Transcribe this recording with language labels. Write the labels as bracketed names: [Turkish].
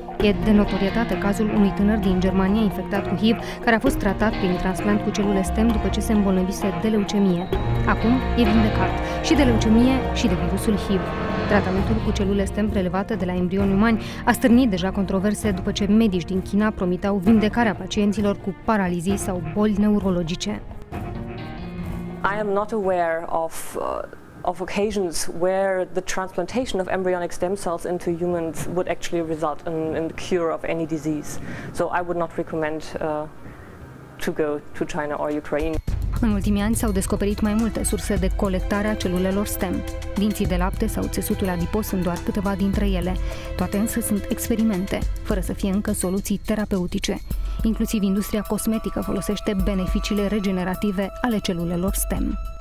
[Romanian] E de notorietate cazul unui tânăr din Germania infectat cu HIV, care a fost tratat prin transplant cu celule STEM după ce se îmbolnăvise de leucemie. Acum e vindecat și de leucemie și de virusul HIV. Tratamentul cu celule STEM prelevate de la embrioni umani a stârnit deja controverse după ce medici din China promiteau vindecarea pacienților cu paralizii sau boli neurologice. [English] I am not aware of occasions where the transplantation of embryonic stem cells into humans would actually result in the cure of any disease. So I would not recommend to go to China or Ukraine. [Romanian] În ultimii ani s-au descoperit mai multe surse de colectare a celulelor STEM. Dinții de lapte sau țesutul adipos sunt doar câteva dintre ele. Toate însă sunt experimente, fără să fie încă soluții terapeutice. Inclusiv industria cosmetică folosește beneficiile regenerative ale celulelor STEM.